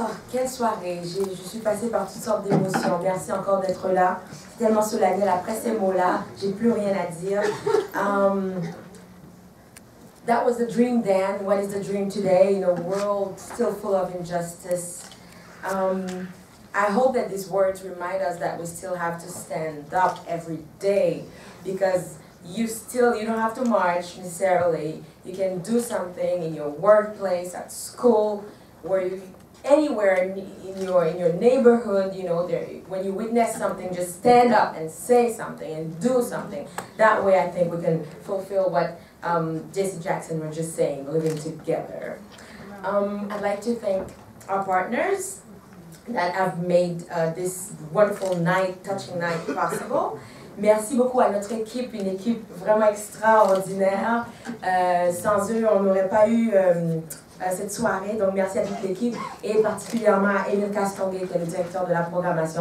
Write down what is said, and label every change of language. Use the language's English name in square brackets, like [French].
[French] Quelle soirée, je suis passée par toutes sortes d'émotions. Merci encore d'être là. C'est tellement solennel après ces mots-là, j'ai plus rien à dire. [English] That was the dream then. What is the dream today in a world still full of injustice? I hope that these words remind us that we still have to stand up every day, because you don't have to march necessarily. You can do something in your workplace, at school, where you, anywhere in your neighborhood, you know, there, when you witness something, just stand up and say something and do something. That way I think we can fulfill what Jesse Jackson was just saying, living together. I'd like to thank our partners that have made this wonderful night, touching night possible. [French] Merci beaucoup à notre équipe, une équipe vraiment extraordinaire. Sans eux, on n'aurait pas eu cette soirée. Donc, merci à toute l'équipe et particulièrement à Emile Castongué, qui est le directeur de la programmation.